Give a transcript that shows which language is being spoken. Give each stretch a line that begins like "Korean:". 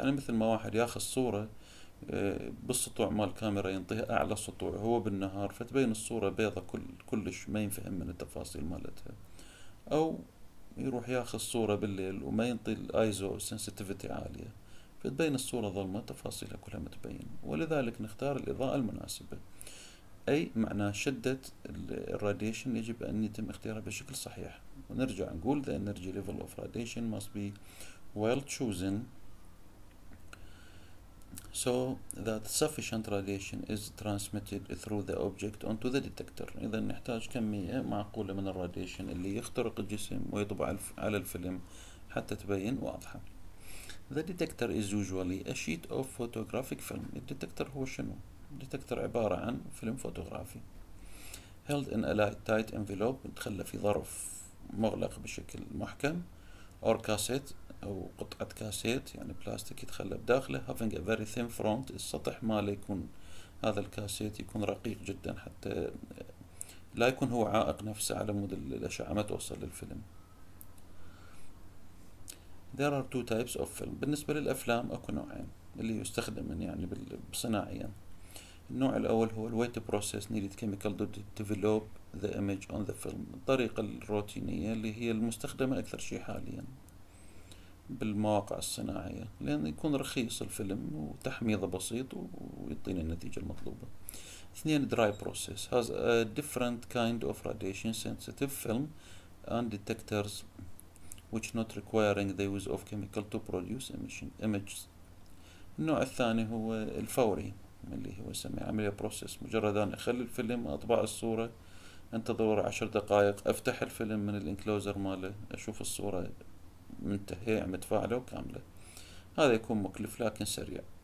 Arabic: يعني مثل ما واحد ياخذ صورة بالسطوع مال الكاميرا ينطيها أعلى سطوع هو بالنهار، فتبين الصورة بيضة كلش ما ينفهم من التفاصيل مالتها، أو يروح ياخذ صورة بالليل وما ينطي الايزو سنسيتيفيتي عالية، فتبين الصورة ظلمة تفاصيلها كلها متبين. ولذلك نختار الإضاءة المناسبة، أي معنى شدة الراديشن يجب أن يتم اختيارها بشكل صحيح. ونرجع نقول
English: the energy level of radiation must be well chosen so that sufficient radiation is transmitted through the object onto the detector.
Arabic: إذا نحتاج كمية معقولة من الراديشن اللي يخترق الجسم ويطبع على الفيلم حتى تبين واضحة.
English: The detector is usually a sheet of photographic film.
Arabic: الديتكتر هو شنو؟ الديتكتر عبارة عن فيلم فوتوغرافي
English: held in a tight envelope،
Arabic: متخلى في ظرف مغلق بشكل محكم،
English: or cassette
Arabic: أو قطعة كاسيت يعني بلاستيك يتخلى بداخله،
English: having a very thin front،
Arabic: السطح ماله يكون هذا الكاسيت يكون رقيق جدا حتى لا يكون هو عائق نفسه على مود الأشعة ما توصل للفيلم.
English: There are two types of film.
Arabic: بالنسبة للأفلام أكو نوعين اللي يستخدم يعني صناعيا. النوع الأول هو
English: the wet process needed chemical to develop the image on the film،
Arabic: الطريقة الروتينية اللي هي المستخدمة أكثر شيء حاليا بالمواقع الصناعية، لأن يكون رخيص الفيلم وتحميضه بسيط ويعطيني النتيجة المطلوبة. اثنين
English: dry process has a different kind of radiation sensitive film and detectors which not requiring the use of chemical to produce images.
Arabic: النوع الثاني هو الفوري اللي هو يسميه عملية process، مجرد أن أخلي الفيلم أطبع الصورة أنتظر 10 دقائق أفتح الفيلم من الانكلوزر ماله أشوف الصورة منتهية متفاعلة وكاملة، هذا يكون مكلف لكن سريع.